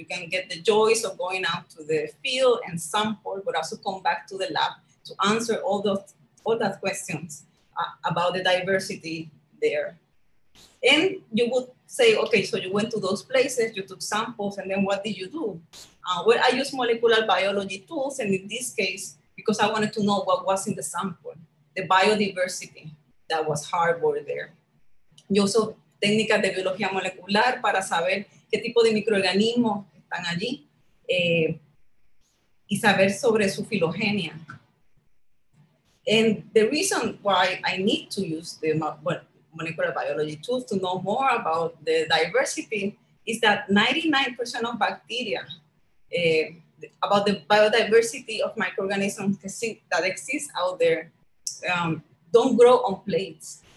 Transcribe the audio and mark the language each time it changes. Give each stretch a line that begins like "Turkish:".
English: You can get the joys of going out to the field and sample, but also come back to the lab to answer all those questions about the diversity there. And you would say, okay, so you went to those places, you took samples, and then what did you do? Well, I used molecular biology tools, and in this case, because I wanted to know what was in the sample, the biodiversity that was harbored there.
Spanish: Yo uso técnicas de biología molecular para saber qué tipo de microorganismos están allí y saber sobre su filogenia.
English: And the reason why I need to use the molecular biology tools to know more about the diversity is that 99% of bacteria, about the biodiversity of microorganisms that exist out there, don't grow on plates.